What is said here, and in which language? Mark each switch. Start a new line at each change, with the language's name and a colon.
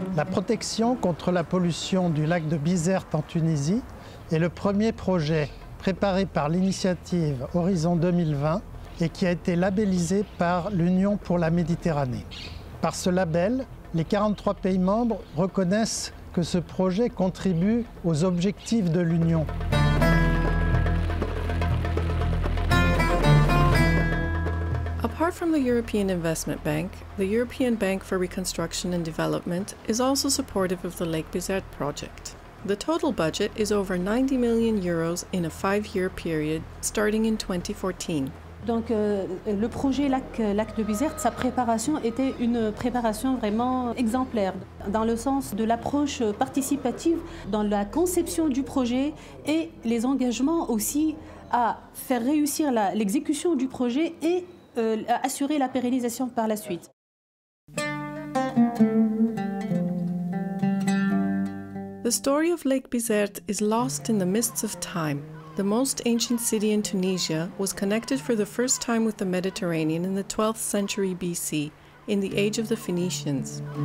French: Protection contre la pollution du lac de Bizerte en Tunisie est le premier projet préparé par l'initiative Horizon 2020 et qui a été labellisé par l'Union pour la Méditerranée. Par ce label, les 43 pays membres reconnaissent que ce projet contribue aux objectifs de l'Union.
English: Apart from the European Investment Bank, the European Bank for Reconstruction and Development is also supportive of the Lake Bizerte project. The total budget is over 90 million euros in a five-year period, starting in 2014.
French: Donc le projet Lac de Bizerte, sa préparation était une préparation vraiment exemplaire dans le sens de l'approche participative dans la conception du projet et les engagements aussi à faire réussir l'exécution du projet et assurer la pérennisation par la suite.
English: The story of Lake Bizerte is lost in the mists of time. The most ancient city in Tunisia was connected for the first time with the Mediterranean in the 12th century BC, in the age of the Phoenicians.